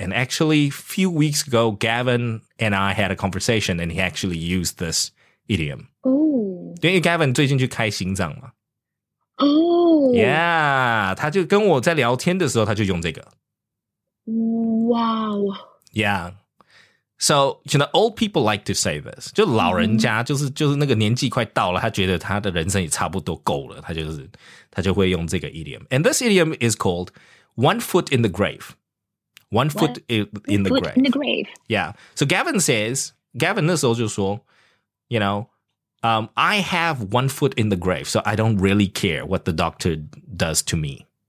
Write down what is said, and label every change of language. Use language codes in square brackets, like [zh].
[en] And actually, a few weeks ago, Gavin and I had a conversation, and he actually used this idiom. Oh. [zh] 因为 Gavin 最近去开心脏嘛。 [en] Oh. [zh] Yeah, 他就跟我在聊天的时候，他就用这个。 [en] Wow. Yeah. So, you know, old people like to say this. [zh] 就老人家，就是那个年纪快到了，他觉得他的人生也差不多够了，他就会用这个 idiom. [en] And this idiom is called one foot in the grave. One foot in the grave. One foot in the grave. Yeah. So Gavin says, Gavin [zh] 那时候就说, [en] you know,I have one foot in the grave, so I don't really care what the doctor does to me.